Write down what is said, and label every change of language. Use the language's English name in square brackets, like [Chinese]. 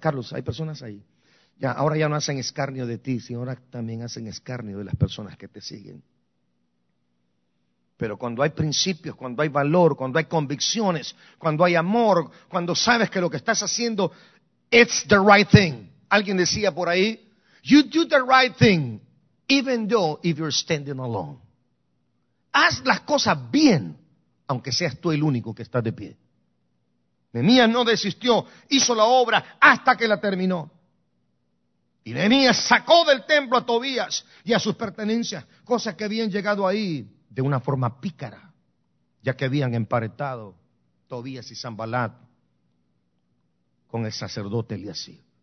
[Spanish] Carlos, hay personas ahí. Ya, ahora ya no hacen escarnio de ti, sino ahora también hacen escarnio de las personas que te siguen. Pero cuando hay principios, cuando hay valor, cuando hay convicciones, cuando hay amor, cuando sabes que lo que estás haciendo, [English] it's the right thing. [Spanish] Alguien decía por ahí, [English] you do the right thing. Even though if you're standing alone. [Spanish] Haz las cosas bien, aunque seas tú el único que estás de pie. Nehemías no desistió, hizo la obra hasta que la terminó. Y Nehemías sacó del templo a Tobías y a sus pertenencias, cosas que habían llegado ahí de una forma pícara, ya que habían emparentado Tobías y Sanbalat con el sacerdote Eliasib.